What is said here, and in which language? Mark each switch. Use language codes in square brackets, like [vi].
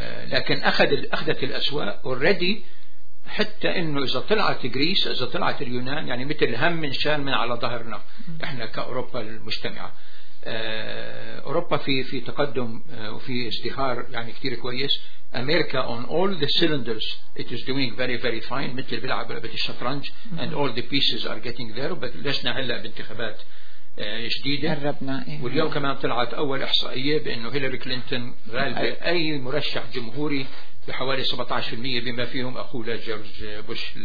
[ar] لكن اخذت الاسواق اوريدي، حتى انه اذا طلعت غريس اذا طلعت اليونان يعني مثل هم من شان من على ظهرنا احنا كاوروبا المجتمعه. اوروبا في تقدم وفي ازدهار يعني كثير كويس. [en] امريكا on all the cylinders it is doing very very fine، [ar] مثل بيلعب لعبه الشطرنج [en] and all the pieces are getting there. [ar] بلشنا هلا بانتخابات جديده قربنا واليوم كمان طلعت اول احصائيه بانه هيلاري كلينتون غالبه اي مرشح جمهوري بحوالي 17% بما فيهم أخوه لجورج بوش.